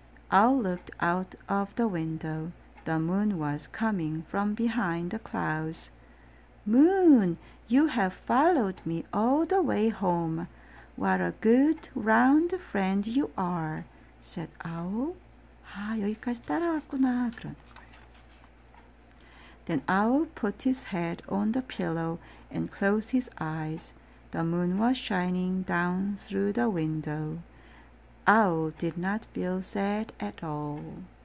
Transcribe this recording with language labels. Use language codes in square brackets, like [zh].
[en] Owl looked out of the window. The moon was coming from behind the clouds. Moon, you have followed me all the way home. What a good round friend you are, said Owl. [ko] 아, 여기까지 따라왔구나, 그런. [en] Then Owl put his head on the pillow and closed his eyes. The moon was shining down through the window. Owl did not feel sad at all.